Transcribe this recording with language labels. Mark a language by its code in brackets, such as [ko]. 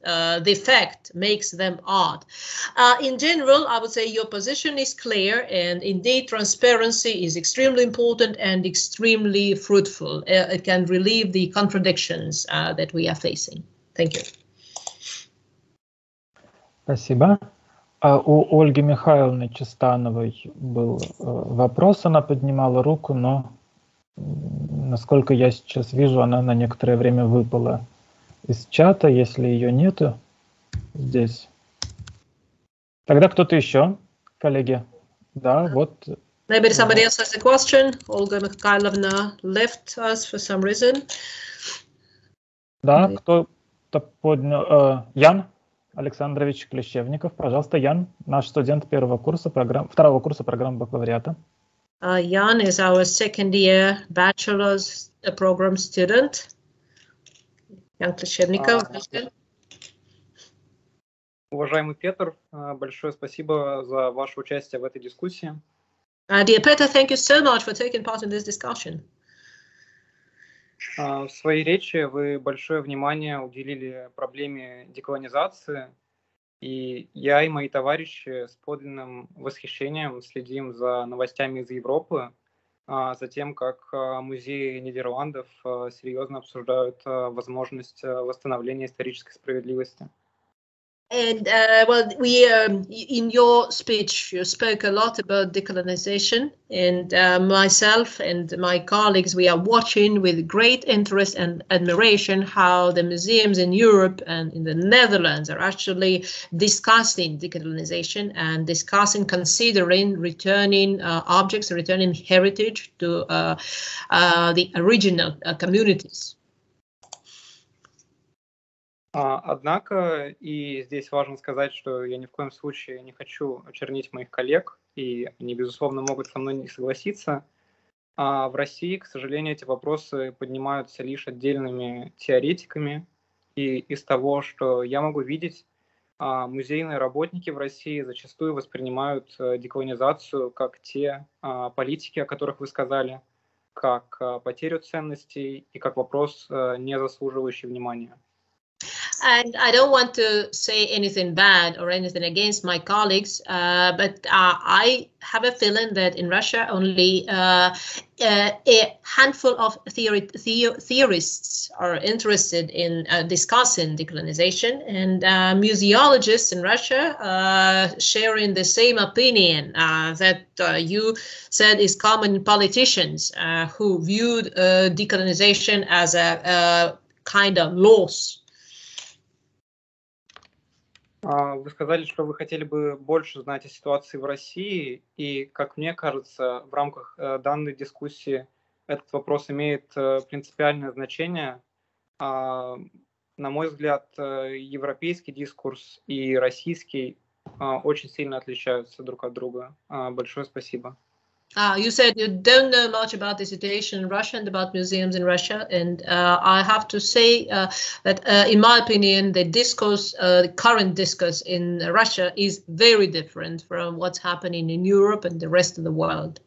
[en] The fact makes them art. In general, I would say your position is clear, and indeed transparency is extremely important and extremely fruitful. It can relieve the contradictions that we are facing. Thank you. [ru] Спасибо. У Ольги Михайловны Чистановой был вопрос, она поднимала руку, но, насколько я сейчас вижу, она на некоторое время выпала из чата, если ее нету здесь. Тогда кто-то еще, коллеги? Да, вот. [en] Maybe somebody else has a question. Olga Mikhailovna left us for some reason. [ru] Да, кто-то поднял. Ян? Александрович Клещевников, пожалуйста, Ян, наш студент первого курса программ, второго курса программы бакалавриата. [en] Ян is our second year bachelor's program student. [ru] Ян Клещевников. Уважаемый Петр, большое спасибо за ваше участие в этой дискуссии. [en] Dear Peter, thank you so much for taking part in this discussion. [ru] В своей речи вы большое внимание уделили проблеме деколонизации, и я и мои товарищи с подлинным восхищением следим за новостями из Европы, за тем, как музеи Нидерландов серьезно обсуждают возможность восстановления исторической справедливости. [en] And well, we in your speech, you spoke a lot about decolonization, and myself and my colleagues, we are watching with great interest and admiration how the museums in Europe and in the Netherlands are actually discussing decolonization and discussing, considering returning objects, returning heritage to the original communities. [ru] Однако, и здесь важно сказать, что я ни в коем случае не хочу очернить моих коллег, и они, безусловно, могут со мной не согласиться. А в России, к сожалению, эти вопросы поднимаются лишь отдельными теоретиками. И из того, что я могу видеть, музейные работники в России зачастую воспринимают деколонизацию как те политики, о которых вы сказали, как потерю ценностей и как вопрос, не заслуживающий внимания. [en] And I don't want to say anything bad or anything against my colleagues, but I have a feeling that in Russia only a handful of theorists are interested in discussing decolonization, and museologists in Russia sharing the same opinion that you said is common in politicians who viewed decolonization as a kind of loss. [ru] Вы сказали, что вы хотели бы больше знать о ситуации в России, и, как мне кажется, в рамках данной дискуссии этот вопрос имеет принципиальное значение. На мой взгляд, европейский дискурс и российский очень сильно отличаются друг от друга. Большое спасибо. [en] You said you don't know much about the situation in Russia and about museums in Russia, and I have to say that, in my opinion, the discourse, the current discourse in Russia, is very different from what's happening in Europe and the rest of the world.